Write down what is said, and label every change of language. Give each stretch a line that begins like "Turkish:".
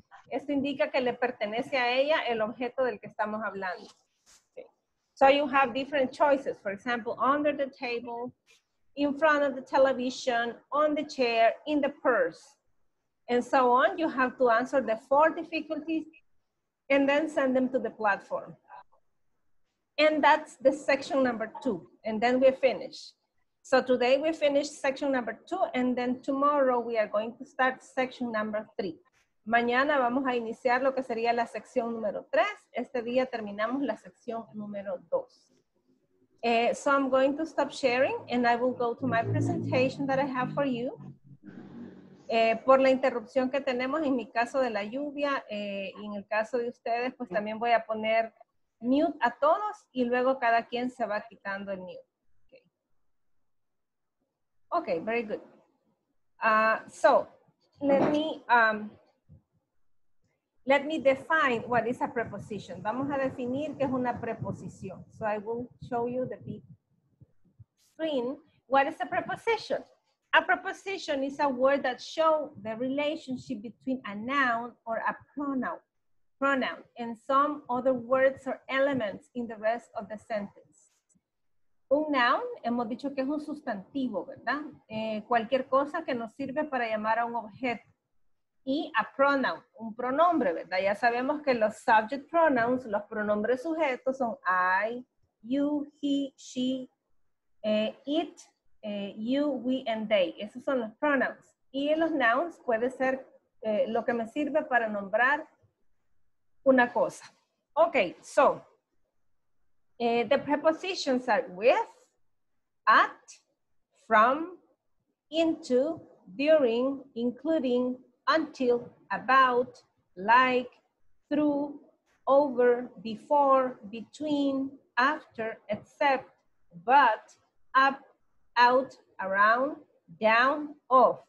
Spanish: Esto indica que le pertenece a ella el objeto del que estamos hablando.
English: Okay. So you have different choices. For example, under the table, in front of the television, on the chair, in the purse. And so on. You have to answer the four difficulties and then send them to the platform. And that's the section number two. And then we finish. So today we finished section number two, and then tomorrow we are going to start section number three.
Spanish: Mañana vamos a iniciar lo que sería la sección número tres. Este día terminamos la sección número dos.
English: So I'm going to stop sharing and I will go to my presentation that I have for you.
Spanish: Por la interrupción que tenemos en mi caso de la lluvia, y en el caso de ustedes, pues también voy a poner mute a todos y luego cada quien se va quitando el mute.
English: Okay, okay, very good. So let me define what is a preposition.
Spanish: Vamos a definir qué es una preposición.
English: So I will show you the big screen. What is a preposition? A preposition is a word that shows the relationship between a noun or a pronoun and some other words or elements in the rest of the sentence.
Spanish: Un noun, hemos dicho que es un sustantivo, ¿verdad? Cualquier cosa que nos sirve para llamar a un objeto. Y a pronoun, un pronombre, ¿verdad? Ya sabemos que los subject pronouns, los pronombres sujetos son I, you, he, she, it, you, we, and they. Esos son los pronouns. Y los nouns puede ser lo que me sirve para nombrar una cosa.
English: Okay, so the prepositions are with, at, from, into, during, including, until, about, like, through, over, before, between, after, except, but, up, out, around, down, off.